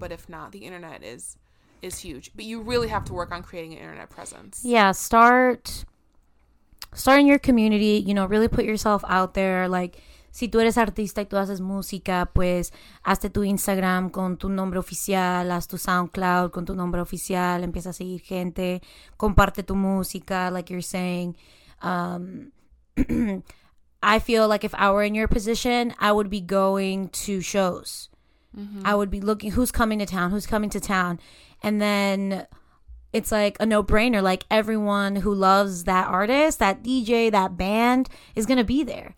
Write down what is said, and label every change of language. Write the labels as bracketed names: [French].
[English] But if not, the internet is huge. But you really have to work on creating an internet presence. Yeah, start in your community, you know, really put yourself out there. Like, [Spanish] si tú eres artista y tú haces música, pues, hazte tu Instagram con tu nombre oficial, haz tu SoundCloud con tu nombre oficial, empieza a seguir gente, comparte tu música, [English] like you're saying. I feel like if I were in your position, I would be going to shows. Mm-hmm. I would be looking, who's coming to town? And then it's like a no-brainer. Like, everyone who loves that artist, that DJ, that band is going to be there.